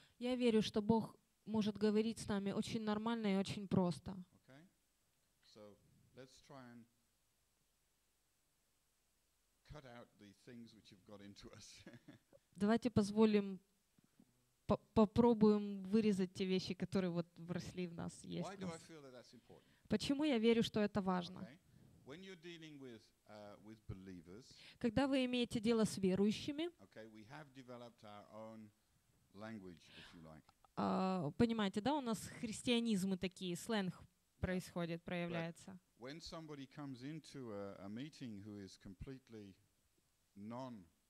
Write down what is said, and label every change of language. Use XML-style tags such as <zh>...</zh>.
<ru>Я верю, что Бог может говорить с нами очень нормально и очень просто.</ru> <en>Okay. So let's try and cut out the things which have got into us.</en> <ru>Давайте позволим попробуем вырезать те вещи, которые вот вросли в нас, есть.</ru> <en>Why do I feel that that's important?</en> <ru>Почему я верю, что это важно?</ru> <en>Okay. When you're dealing with believers,</en> <ru>когда вы имеете дело с верующими,</ru> <en>okay, we have developed our own language, if you like.</en> <ru>Понимаете, да, у нас христианизмы такие, сленг происходит, проявляется.</ru> <en>But when somebody comes into a meeting who is completely non.</en>